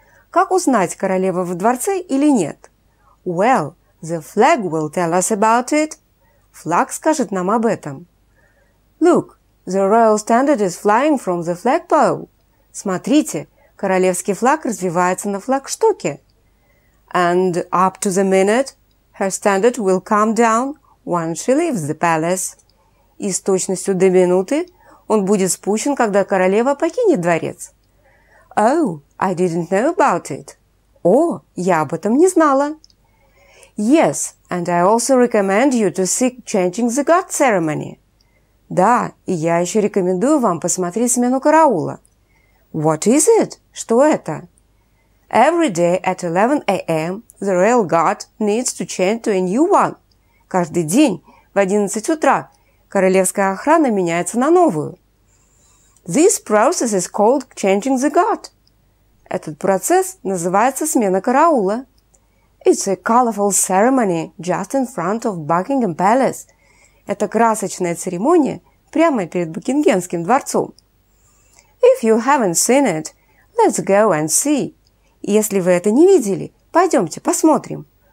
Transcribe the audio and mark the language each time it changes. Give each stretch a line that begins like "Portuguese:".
Russian: Как узнать, королева в дворце или нет?
English: Well, the flag will tell us about it.
Russian: Флаг скажет нам об этом.
English: Look, the royal standard is flying from the flagpole.
Russian: Смотрите, королевский флаг развивается на флагштоке.
English: And up to the minute, her standard will come down once she leaves the palace.
Russian: И с точностью до минуты он будет спущен, когда королева покинет дворец.
English: Oh, I didn't know about it.
Russian: О, я об этом не знала.
English: Yes, and I also recommend you to see changing the guard ceremony.
Russian: Да, и я еще рекомендую вам посмотреть смену караула.
English: What is it?
Russian: Что это?
English: Every day at 11 a.m. the royal guard needs to change to a new one.
Russian: Каждый день в 11 утра королевская охрана меняется на новую.
English: This process is called changing the guard.
Russian: Этот процесс называется смена караула.
English: It's a colorful ceremony just in front of Buckingham Palace.
Russian: Это красочная церемония прямо перед Букингемским дворцом.
English: If you haven't seen it, let's go and see.
Russian: Если вы это не видели, пойдемте посмотрим.